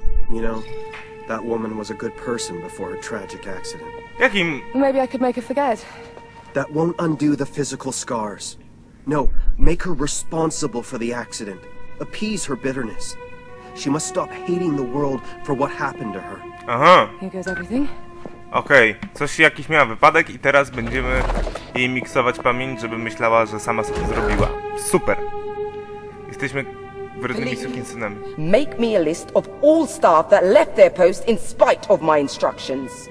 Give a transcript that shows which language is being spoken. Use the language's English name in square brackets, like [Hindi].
[English] You know, that woman was a good person before her tragic accident. [Polish] Jakim? [English] Maybe I could make her forget. That won't undo the physical scars. No, make her responsible for the accident. Appease her bitterness. She must stop hating the world for what happened to her. [Polish] Aha. [English] Here goes everything. [Polish] Okej, coś jakiś miała wypadek i teraz będziemy jej miksować pamięć, żeby myślała, że sama sobie zrobiła. Super. Jesteśmy wrednymi sukinsynami. [English] Make me a list of all staff that left their post in spite of my instructions.